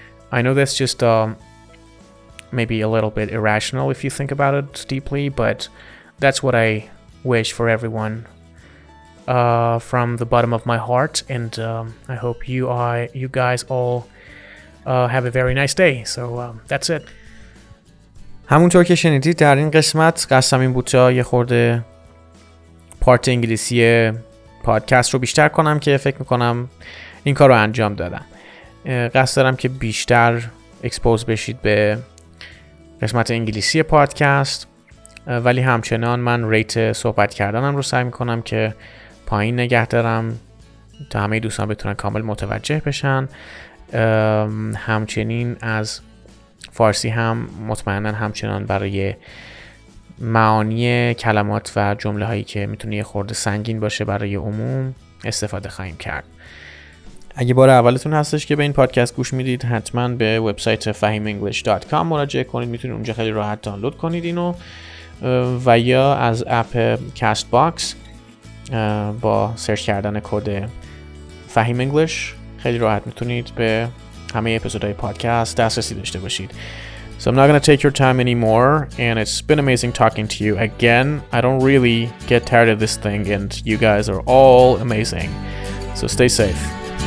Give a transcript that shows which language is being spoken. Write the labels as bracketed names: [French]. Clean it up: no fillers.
[English] I know that's just maybe a little bit irrational if you think about it deeply, but that's what I wish for everyone from the bottom of my heart, and I hope you guys all have a very nice day. So that's it. [Persian] همونطور که شنیدید در این قسمت قسم این بوتا یه خورده پارت انگلیسی پادکست رو بیشتر کنم، که فکر میکنم این کار رو انجام دادم. قصد دارم که بیشتر اکسپوز بشید به قسمت انگلیسی پادکست، ولی همچنان من ریت صحبت کردنم رو سعی میکنم که پایین نگه دارم تا همه دوستان بتونن کامل متوجه بشن. همچنین از فارسی هم مطمئنن همچنان برای معانی کلمات و جمله هایی که میتونه یه خورده سنگین باشه برای عموم استفاده خواهیم کرد. اگه بار اولتون هستش که به این پادکست گوش میدید، حتما به وبسایت fahimenglish.com مراجعه کنید، میتونید اونجا خیلی راحت دانلود کنید اینو، و یا از اپ کاست باکس با سرچ کردن کد fahimenglish خیلی راحت میتونید به همه اپیزودهای پادکست دسترسی داشته باشید. [English] So I'm not going to take your time anymore, and it's been amazing talking to you again. I don't really get tired of this thing, and you guys are all amazing. So stay safe.